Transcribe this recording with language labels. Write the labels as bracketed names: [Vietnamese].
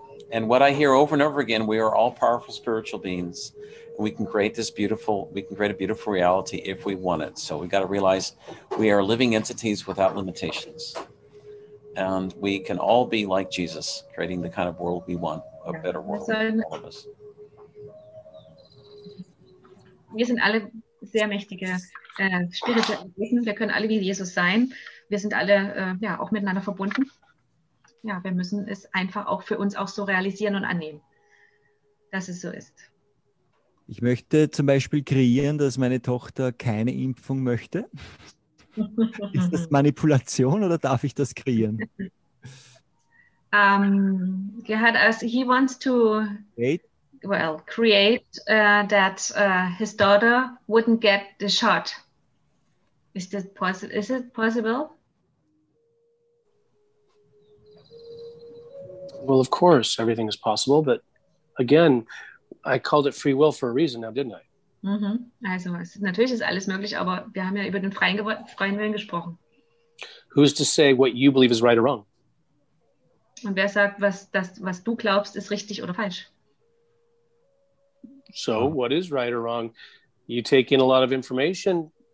[English] And what I hear over and over again, we are all powerful spiritual beings. And we can create a beautiful reality if we want it. So we got to realize we are living entities without limitations. And we can all be like Jesus, creating the kind of world we want, a better world for all of us. [German] Wir sind alle sehr mächtige spirituelle Wesen. Wir können alle wie Jesus sein. Wir sind alle auch miteinander verbunden. Ja, wir müssen es einfach auch für uns auch so realisieren und annehmen, dass es so ist. Ich möchte zum Beispiel kreieren, dass meine Tochter keine Impfung möchte. Ist das Manipulation oder darf ich das kreieren? [English] Gerhard, he wants to create that his daughter wouldn't get the shot. Is it possible? Well, of course, everything is possible. But again, I called it free will for a reason now, didn't I? [German] Also, natürlich ist alles möglich, aber wir haben ja über den freien Willen gesprochen. [English] Who's to say what you believe is right or wrong? [German] Und wer sagt, was du glaubst, ist richtig oder falsch? [English] So, what is right or wrong? You take in a lot of information.